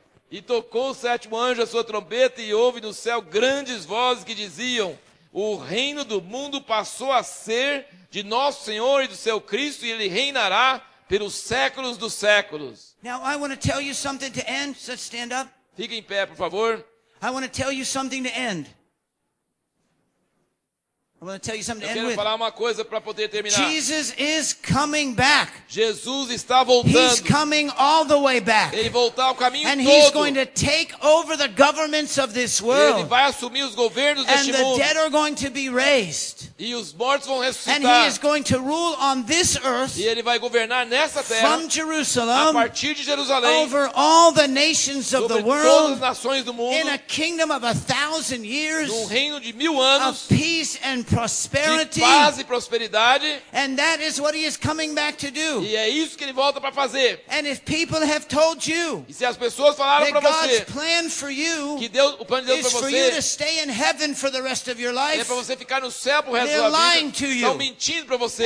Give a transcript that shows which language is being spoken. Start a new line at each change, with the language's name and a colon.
Portuguese: E tocou o sétimo anjo a sua trombeta, e houve no céu grandes vozes que diziam: o reino do mundo passou a ser de nosso Senhor e do seu Cristo, e ele reinará pelos séculos dos séculos.
English: Now I want to tell you something to end. So stand up.
Portuguese: Fique em pé, por favor.
English: I want to tell you something to end. I want to tell you something to end with.
Portuguese: Eu quero falar uma coisa para poder terminar.
English: Jesus is coming back.
Portuguese: Jesus está voltando.
English: He's coming all the way back.
Portuguese: Ele volta o caminho
English: and
Portuguese: todo.
English: And he's going to take over the governments of this world.
Portuguese: Ele vai assumir os governos deste mundo.
English: And the dead are going to be raised.
Portuguese: E os mortos vão ressuscitar.
English: And he is going to rule on this earth.
Portuguese: E ele vai governar nessa terra.
English: From Jerusalem.
Portuguese: A partir de Jerusalém.
English: Over all the nations of the world.
Portuguese: Sobre todas as nações do mundo.
English: In a kingdom of 1,000 years.
Portuguese: Num reino de 1,000 anos.
English: Of peace and prosperity,
Portuguese: de paz e prosperidade.
English: And that is what he is coming back to do.
Portuguese: E é isso que ele volta para fazer.
English: And if people have told you,
Portuguese: e se as pessoas falaram para você,
English: God's plan for you,
Portuguese: que Deus, o plano de Deus
English: is for
Portuguese: você,
English: you to stay in heaven for the rest of your life,
Portuguese: é para você ficar no céu pro resto da vida,
English: lying to you.
Portuguese: Estão mentindo para você.